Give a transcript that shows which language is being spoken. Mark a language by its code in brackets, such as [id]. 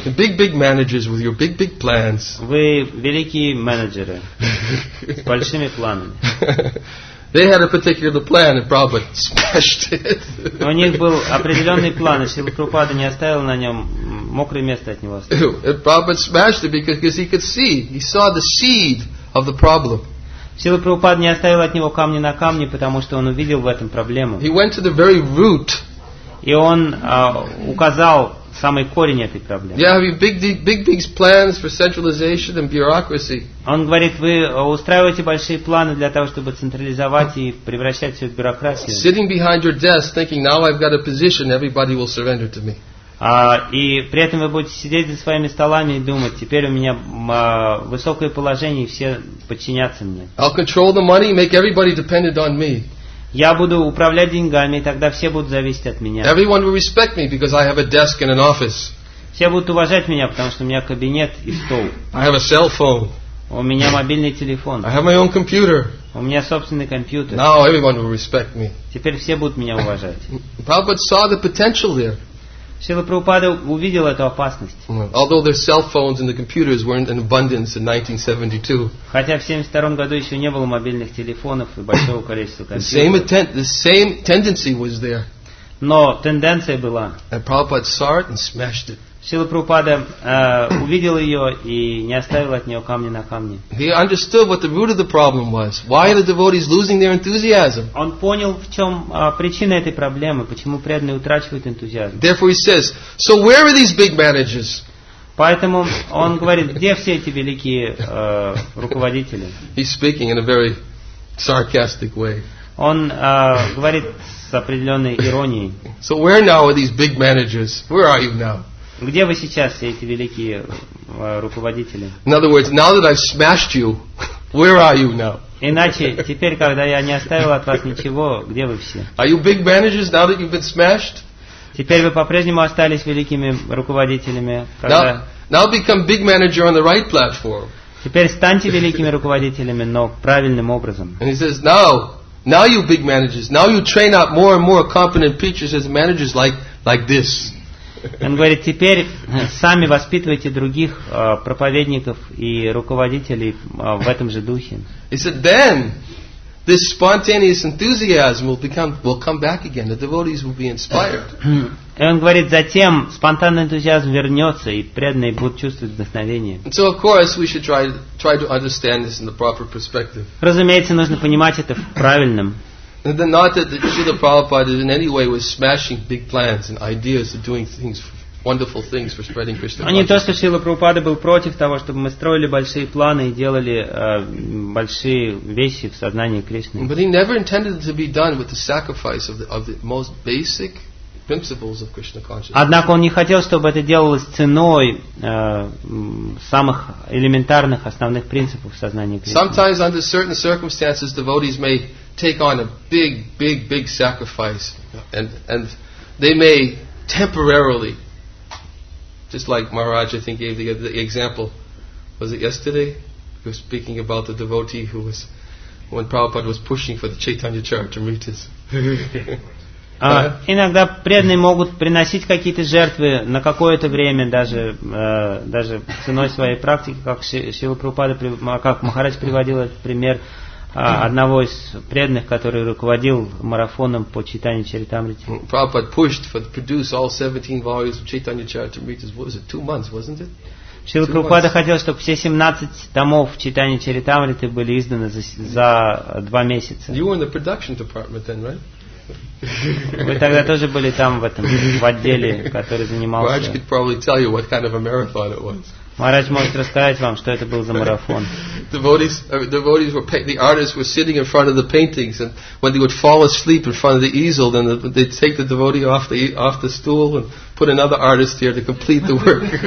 [en] Big, big managers with your big, big plans. [ru] Вы великие менеджеры с большими планами. [en] They had a particular plan, and Prabhupada smashed it. [ru] У них был определенный план, и Шрила Прабхупада не оставил на нем мокрое место от него. [en] And Prabhupada smashed it because he could see, he saw the seed of the problem. [ru] Шрила Прабхупада не оставил от него камня на камне, потому что он увидел в этом проблему. [en] He went to the very root. [ru] И он указал самый корень этой проблемы. [en] Yeah, have you big plans for centralization and bureaucracy? [ru] Он говорит, вы устраиваете большие планы для того, чтобы централизовать и превращать все в бюрократию. [en] Sitting behind your desk, thinking, now I've got a position, everybody will surrender to me. [ru] И при этом вы будете сидеть за своими столами и думать, теперь у меня высокое положение, и все подчинятся мне. [en] I'll control the money, make everybody dependent on me. [ru] Я буду управлять деньгами, и тогда все будут зависеть от меня. [en] Everyone will respect me because I have a desk and an office. [ru] Все будут уважать меня, потому что у меня кабинет и стол. [en] I have a cell phone. [ru] У меня мобильный телефон. [en] I have my own computer. [ru] У меня собственный компьютер. [en] Now everyone will respect me. [ru] Теперь все будут меня уважать. [en] Prabhupada saw the potential there. [ru] Шрила Прабхупада увидел эту опасность. [en] Although their cell phones and the computers weren't in abundance in 1972. [ru] Хотя в 72 году еще не было мобильных телефонов и большого количества компьютеров. [en] The same tendency was there. [ru] Но тенденция была. [en] And Prabhupada saw it and smashed it. [ru] Шрила Прабхупада увидел ее и не оставил от нее камня на камне. [en] He understood what the root of the problem was. Why are the devotees losing their enthusiasm? [ru] Он понял, в чем причина этой проблемы, почему преданные утрачивают энтузиазм. [en] Therefore he says, so where are these big managers? [ru] Поэтому он говорит, где все эти великие руководители? [en] He's speaking in a very sarcastic way. [ru] Он говорит с определенной иронией. [en] So where now are these big managers? Where are you now? [ru] Где вы сейчас, все эти великие руководители? [en] In other words, now that I've smashed you, where are you now? [ru] Иначе, теперь, когда я не оставил от вас ничего, где вы все? [en] Are you big managers now that you've been smashed? [ru] Теперь вы по-прежнему остались великими руководителями. [en] Now become big manager on the right platform. [ru] Теперь станьте великими руководителями, но правильным образом. [en] And he says, now you big managers, now you train up more and more competent preachers as managers like this. [ru] Он говорит, теперь сами воспитывайте других проповедников и руководителей в этом же духе. [en] He said, then this spontaneous enthusiasm will come back again. The devotees will be inspired. [ru] И он говорит, затем спонтанный энтузиазм вернется, и преданные будут чувствовать вдохновение. [en] So of course we should try to understand this in the proper perspective. [ru] Разумеется, нужно понимать это в правильном. [en] And then not that Srila Prabhupada in any way was smashing big plans and ideas and doing things, wonderful things for spreading Krishna consciousness. [ru] Не то, что Шрила Прабхупада был против того, чтобы мы строили большие планы и делали большие вещи в сознании Кришны. [en] But he never intended it to be done with the sacrifice of the most basic principles of Krishna consciousness. [ru] Однако он не хотел, чтобы это делалось ценой самых элементарных основных принципов сознания Кришны. [en] Sometimes under certain circumstances devotees may take on a big, big, big sacrifice, and they may temporarily, just like Maharaj, I think, gave the example, was it yesterday? He was speaking about the devotee who was, when Prabhupada was pushing for the Chaitanya Charitamritas. [ru] Иногда преданные могут приносить какие-то жертвы на какое-то время, даже ценой своей практики, как Шрила Прабхупада, как Махарадж приводил этот пример. Одного из преданных, который руководил марафоном по Чайтанья Чаритамрите. [en] Prabhupada pushed for produce all 17 volumes of Chaitanya Charitamrita. What was it? 2 months, wasn't it? [ru] Шрила Прабхупада хотел, чтобы все 17 томов Чайтанья Чаритамриты были изданы за 2 месяца. [en] You were in the production department then, right? [ru] Вы тогда тоже были там в отделе, который занимался. [en] Maharaj could probably tell you what kind of a marathon it was. [ru] Марадж может рассказать вам, что это был за марафон. [en] The artists were sitting in front of the paintings, and when they would fall asleep in front of the easel, then they'd take the devotee off the stool and put another artist here to complete the work.